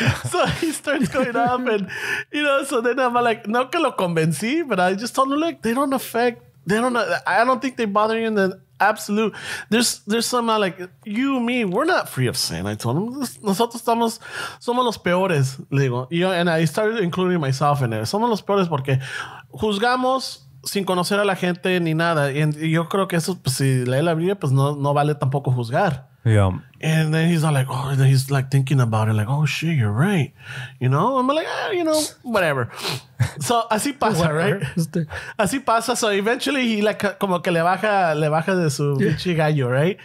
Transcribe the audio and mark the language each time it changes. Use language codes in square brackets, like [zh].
[en] So he starts going up, and you know, so then I'm like, [es] no que lo convencí, [en] but I just told him, like, they don't affect, they don't, I don't think they bother you in the absolute. There's some like you, me, we're not free of sin. I told him, [es] nosotros estamos, somos los peores, le digo. [en] You know, and I started including myself in there. [es] Somos los peores porque juzgamos sin conocer a la gente ni nada. And yo creo que eso, pues, si lee la Biblia, pues no vale tampoco juzgar. [en] Yeah. And then he's all like, oh, he's like thinking about it, like, oh shit, you're right. You know? I'm like, ah, you know, whatever. So [es] así pasa, [en] right? [es] Así pasa. [en] So eventually he like [es] como que le baja de su bitchy gallo, right?